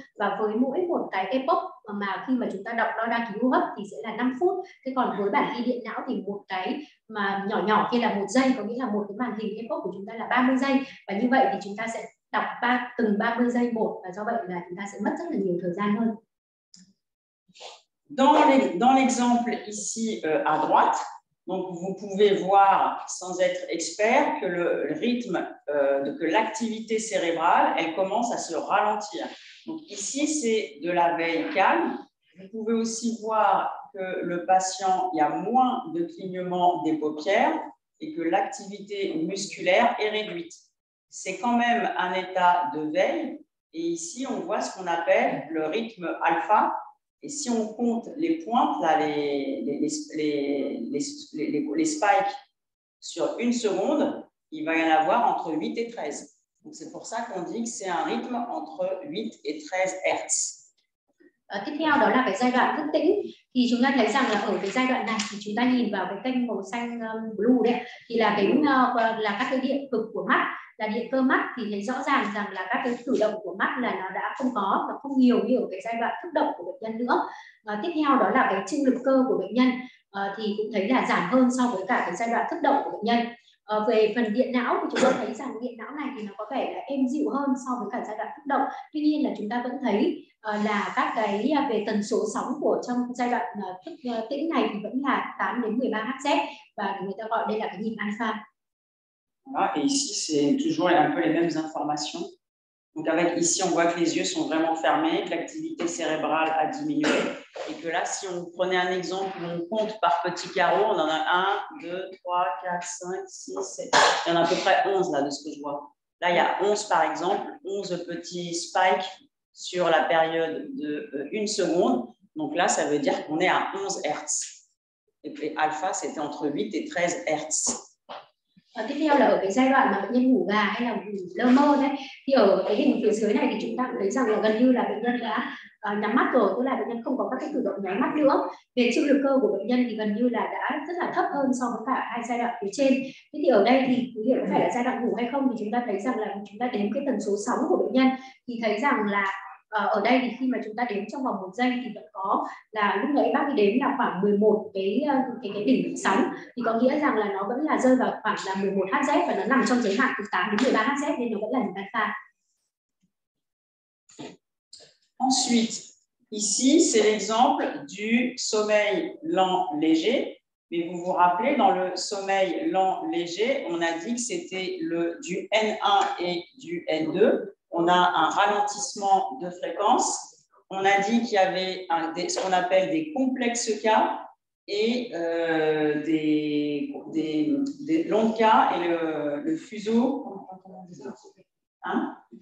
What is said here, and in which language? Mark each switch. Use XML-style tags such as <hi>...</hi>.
<vi>Và với mỗi một cái epoch mà khi mà chúng ta đọc đăng ký hô hấp thì sẽ là 5 phút. Thế còn với bản ghi điện não thì một cái mà nhỏ nhỏ kia là 1 giây, có nghĩa là một cái màn hình epoch của chúng ta là 30 giây. Và như vậy thì chúng ta sẽ đọc từng 30 giây một và do vậy là chúng ta sẽ mất rất là nhiều thời gian hơn.</vi> <fr>Dans l'exemple ici à droite, Donc, vous pouvez voir, sans être expert, que le rythme, que l'activité cérébrale, elle commence à se ralentir. Donc, ici, c'est de la veille calme. Vous pouvez aussi voir que le patient, il y a moins de clignement des paupières et que l'activité musculaire est réduite. C'est quand même un état de veille. Et ici, on voit ce qu'on appelle le rythme alpha. Et si on compte les pointes, là, les spikes sur une seconde, il va y en avoir entre 8 et 13. Donc, c'est pour ça qu'on dit que c'est un rythme entre 8 et 13 Hz.</fr> <vi>Tiếp theo đó là cái giai đoạn thức tỉnh, thì chúng ta thấy rằng là ở cái giai đoạn này thì chúng ta nhìn vào cái kênh màu xanh blue đấy, thì là cái là các cái điện cực của mắt, là điện cơ mắt, thì thấy rõ ràng rằng là các cái cử động của mắt là nó đã không có và không nhiều như ở cái giai đoạn thức động của bệnh nhân nữa. Tiếp theo đó là cái trương lực cơ của bệnh nhân thì cũng thấy là giảm hơn so với cả cái giai đoạn thức động của bệnh nhân. Về phần điện não thì chúng ta thấy rằng điện não này thì nó có vẻ là êm dịu hơn so với cả giai đoạn thức động. Tuy nhiên là chúng ta vẫn thấy là các cái về tần số sóng của trong giai đoạn thức tĩnh này thì vẫn là 8 đến 13 Hz và người ta gọi đây là cái nhịp alpha.</vi> <fr>Voilà, et ici c'est toujours un peu les mêmes informations. Donc avec ici on voit que les yeux sont vraiment fermés, que l'activité cérébrale a diminué et que là si on prenait un exemple où on compte par petits carreaux, on en a 1 2 3 4 5 6 7. Il y en a à peu près 11 là de ce que je vois. Là il y a 11 par exemple, 11 petits spikes sur la période de 1 seconde. Donc là ça veut dire qu'on est à 11 Hz. Et puis alpha c'était entre 8 et 13 Hz.</fr> <vi>Tiếp theo là ở cái giai đoạn mà bệnh nhân ngủ gà hay là ngủ lơ mơ đấy, thì ở cái hình phía dưới này thì chúng ta cũng thấy rằng là gần như là bệnh nhân đã nhắm mắt rồi, tức là bệnh nhân không có các cái cử động nháy mắt nữa. Về trương lực cơ của bệnh nhân thì gần như là đã rất là thấp hơn so với cả hai giai đoạn phía trên. Thế thì ở đây thì quý vị có phải là giai đoạn ngủ hay không, thì chúng ta thấy rằng là chúng ta đếm cái tần số sóng của bệnh nhân thì thấy rằng là ở đây thì khi mà chúng ta đếm trong vòng 1 giây thì vẫn có là lúc đấy bác ấy đếm là khoảng 11 cái đỉnh sóng, thì có nghĩa rằng là nó vẫn là rơi vào khoảng là 11 Hz và nó nằm trong giới hạn từ 8 đến 13 Hz nên nó vẫn là nhịp alpha.</vi> <fr>Ensuite, ici c'est l'exemple du sommeil lent léger, mais vous vous rappelez dans le sommeil lent léger, on a dit que c'était le du N1 et du N2. On a un ralentissement de fréquence. On a dit qu'il y avait ce qu'on appelle des complexes cas et des longs cas et le fuseau. Hein?</fr>